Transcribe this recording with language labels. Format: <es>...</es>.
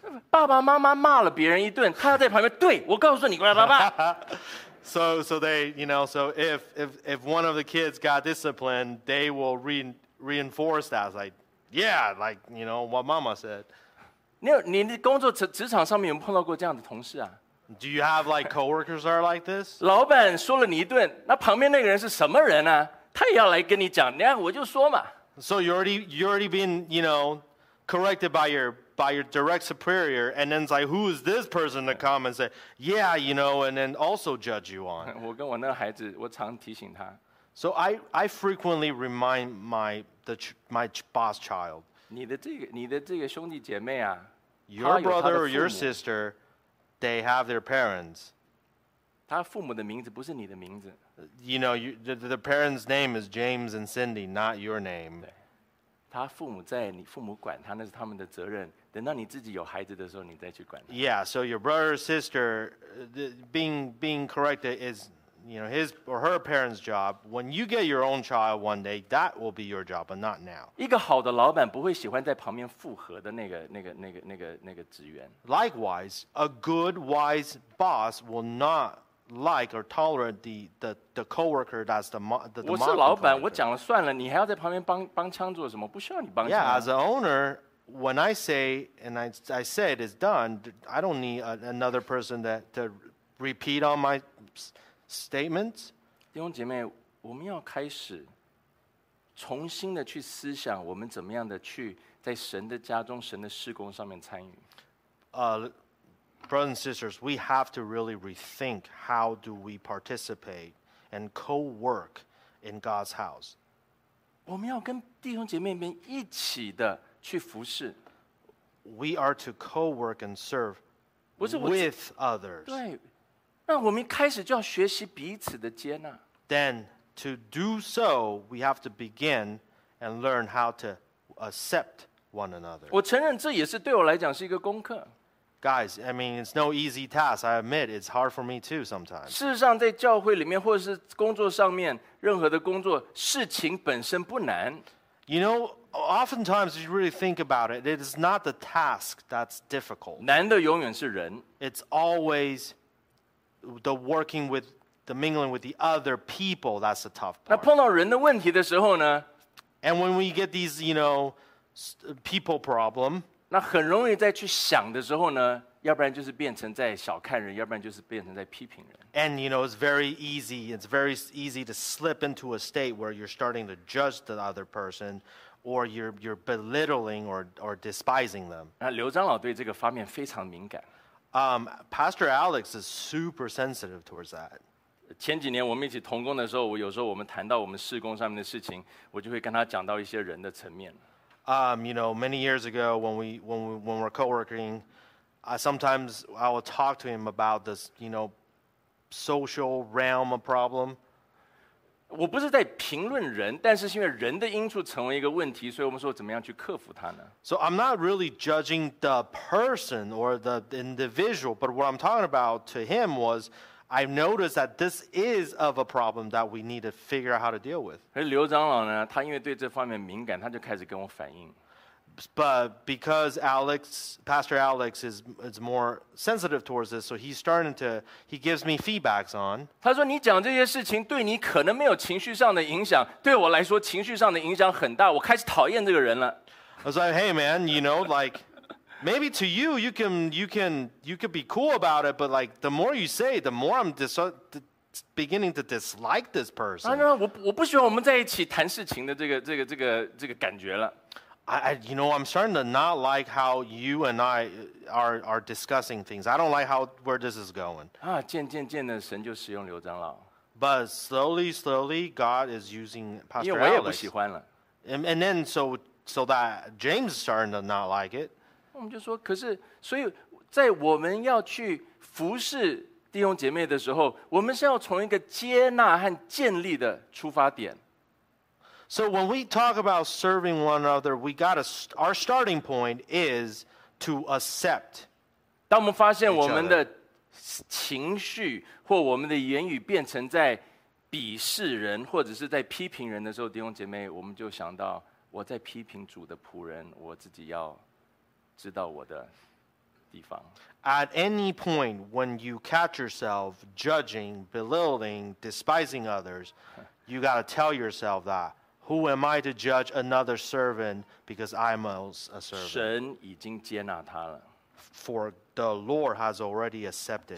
<zh>爸爸妈妈骂了别人一顿，他在旁边，对，我告诉你，乖爸爸。</zh> <en>So they, you know, so if one of the kids got disciplined, they will reinforce that. It's like, yeah, like, you know, what mama said.</en> <zh>你工作职场上面有没有碰到过这样的同事啊？</zh> <en>Do you have like coworkers are like this?</en> <zh>老板说了你一顿，那旁边那个人是什么人啊？他也要来跟你讲，那我就说嘛。</zh> <en>So you already been, you know, corrected by your direct superior, and then it's like, who is this person to come and say, yeah, you know, and then also judge you on?</en> <zh>我跟我那个孩子，我常提醒他。</zh> <en>So I frequently remind my boss child.</en> <zh>你的这个兄弟姐妹啊</zh> <en>，Your brother or your sister, they have their parents.</en> <zh>他父母的名字不是你的名字。</zh> <en>You know, the parents' name is James and Cindy, not your name.</en> <zh>他父母在，你父母管他，那是他们的责任。等到你自己有孩子的时候，你再去管他。</zh> <en>Yeah, so your brother or sister, being corrected is you know, his or her parents' job. When you get your own child one day, that will be your job, but not now.</en> <zh>一个好的老板不会喜欢在旁边附和的那个职员。</zh> <en>Likewise, a good, wise boss will not like or tolerate the coworker that's the</en> <zh>我是老板，我讲了算了，你还要在旁边帮腔做什么？不需要你帮腔。</zh> <en>Yeah, as an owner. When I say, and I said it's done, I don't need another person to repeat all my statements.</en> <zh>弟兄姐妹，我们要开始重新的去思想我们怎么样的去在神的家中、神的事工上面参与。</zh> <en>Brothers and sisters, we have to really rethink how do we participate and co-work in God's house.</en> <zh>我们要跟弟兄姐妹们一起的去服侍。</zh> <en>We are to co-work and serve with others.</en> <zh>对，那我们一开始就要学习彼此的接纳。</zh> <en>Then to do so, we have to begin and learn how to accept one another.</en> <zh>我承认这也是对我来讲是一个功课。</zh> <en>Guys, I mean, it's no easy task. I admit it's hard for me too sometimes.</en> <zh>事实上，在教会里面或者是工作上面，任何的工作事情本身不难。</zh> <en>You know, oftentimes, if you really think about it, it is not the task that's difficult.</en> <zh>难的永远是人。</zh> <en>It's always the working with, the mingling with the other people that's the tough part.</en> <zh>那碰到人的问题的时候呢?</zh> <en>And when we get these, you know, people problem,</en> <zh>那很容易再去想的时候呢?要不然就是变成在小看人，要不然就是变成在批评人。</zh> <en>And you know, it's very easy to slip into a state where you're starting to judge the other person, or you're belittling or despising them.</en> <zh>那刘长老对这个方面非常敏感。</zh> <en>Pastor Alex is super sensitive towards that.</en> <zh>前几年我们一起同工的时候，我有时候我们谈到我们事工上面的事情，我就会跟他讲到一些人的层面。</zh> <en>You know, many years ago when we're co-working. Sometimes I will talk to him about this, you know, social realm of problem.</en> <zh>我不是在评论人，但是因为人的因素成为一个问题，所以我们说怎么样去克服它呢？</zh> <en>So I'm not really judging the person or the individual, but what I'm talking about to him was, I noticed that this is of a problem that we need to figure out how to deal with.</en> <zh>而刘长老呢，他因为对这方面敏感，他就开始跟我反映。</zh> <en>But because Pastor Alex is more sensitive towards this, so he gives me feedbacks on.</en> <zh>他说你讲这些事情对你可能没有情绪上的影响，对我来说情绪上的影响很大，我开始讨厌这个人了。</zh> <en>I was like, hey man, you know, like, maybe to you, you could be cool about it, but like, the more you say, the more I'm beginning to dislike this person.</en> <zh>啊，我不喜欢我们在一起谈事情的这个感觉了。</zh> <en>I, you know, I'm starting to not like how you and I are discussing things. I don't like where this is going.</en> <zh>啊，渐渐渐的，神就使用刘长老。</zh> <en>But slowly, slowly, God is using Pastor Alex.</en> <zh>因为我也不喜欢了。</zh> <en>And then so that James is starting to not like it.</en> <zh>我们就说，可是，所以在我们要去服侍弟兄姐妹的时候，我们是要从一个接纳和建立的出发点。</zh> <en>So when we talk about serving one another, we got our starting point is to accept.</en> <zh>当我们发现我们的情绪或我们的言语变成在鄙视人或者是在批评人的时候，弟兄姐妹，我们就想到我在批评主的仆人，我自己要知道我的地方。</zh> <en>At any point when you catch yourself judging, belittling, despising others, you got to tell yourself that. Who am I to judge another servant because I'm a servant?</en> <zh>神已经接纳他了。</zh> <en>For the Lord has already accepted him.</en>